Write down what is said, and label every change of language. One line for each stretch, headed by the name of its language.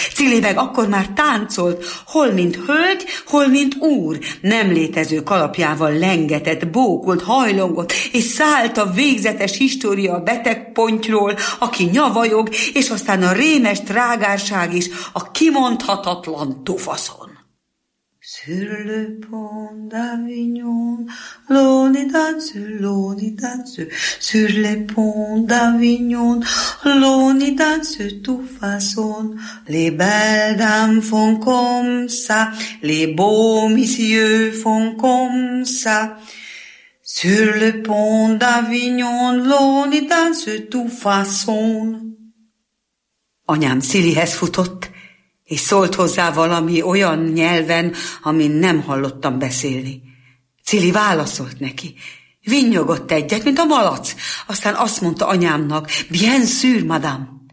Hungarian: Cili meg akkor már táncolt, hol mint hölgy, hol mint úr. Nem létező kalapjával lengetett, bókolt, hajlongott, és szállt a végzetes história a beteg pontyról, aki nyavajog, és aztán a rémes trágárság is a kimondhatatlan tufaszon.
French: Sur le pont d'Avignon, l'on y danse, l'on y danse. Sur le pont d'Avignon, l'on y danse tout façon. Les belles dames font comme ça, les beaux messieurs font comme ça. Sur le pont d'Avignon, l'on y danse tout façon.
Hungarian: Anyám Cilihez futott, és szólt hozzá valami olyan nyelven, amin nem hallottam beszélni. Cili válaszolt neki. Vinnyogott egyet, mint a malac. Aztán azt mondta anyámnak,
French: bien sûr, madame.